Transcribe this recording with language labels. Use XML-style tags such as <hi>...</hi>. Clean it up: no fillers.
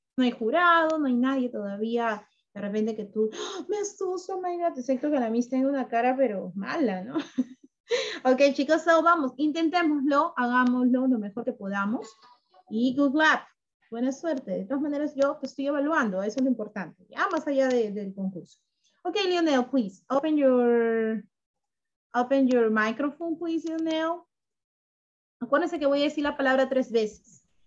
<es>No hay jurado, no hay nadie todavía. De repente que tú, ¡oh, me asusto,</es> <en>my God!</en> <es>Siento que la Miss tiene una cara, pero mala, ¿no? Ok, chicos, so vamos, intentémoslo, hagámoslo lo mejor que podamos. Y</es> <en>good luck,</en> <es>buena suerte. De todas maneras, yo te estoy evaluando, eso es lo importante, ya más allá del concurso.</es> <en>Ok, Leonel, please, open your microphone, please, Leonel.</en> <es>Acuérdense que voy a decir la palabra 3 veces.</es>